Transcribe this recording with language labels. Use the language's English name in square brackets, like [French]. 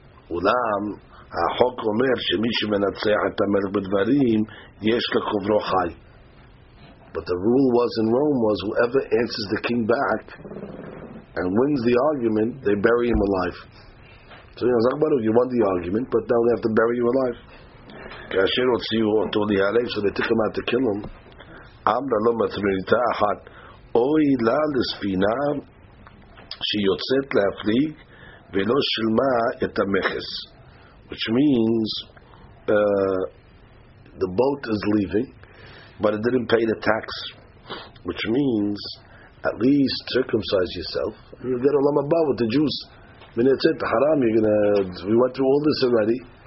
[English] Ulam, [Hebrew] החוק אומר שמי שמנצח את המלך בדברים יש לקוברו חי. [English] But the rule was in Rome was whoever answers the king back and wins the argument, they bury him alive. So you won the argument, but now they have to bury you alive. [Hebrew] כאשר הוציאו אותו להרג, [English] so they took him out to kill him. [Hebrew] אמרה לו מטרניתה אחת, אוי לה לספינה שיוצאת להפליג ולא שלמה את המכס. [English] Which means the boat is leaving, but it didn't pay the tax. Which means at least circumcise yourself. You get Olam Haba with the Jews. I mean, that's it, the haram. We went through all this already.